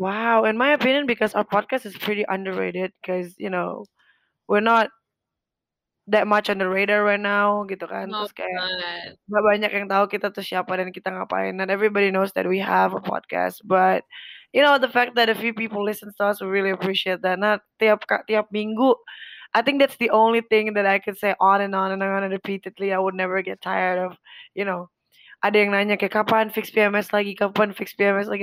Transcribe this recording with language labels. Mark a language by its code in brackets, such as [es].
[en] Wow, in my opinion, because our podcast is pretty underrated, because you know, we're not that much on the radar right now, [id] gitu kan? [en] No, [id] Terus kayak [en] man. [id] gak banyak yang tahu kita tuh siapa dan kita ngapain. [en] Not everybody knows that we have a podcast, but you know, the fact that a few people listen to us, we really appreciate that. Not [id] tiap minggu, [en] I think that's the only thing that I could say on and on and on and repeatedly. I would never get tired of, you know. [id] Ada yang nanya kayak kapan fix PMS lagi, kapan fix PMS lagi.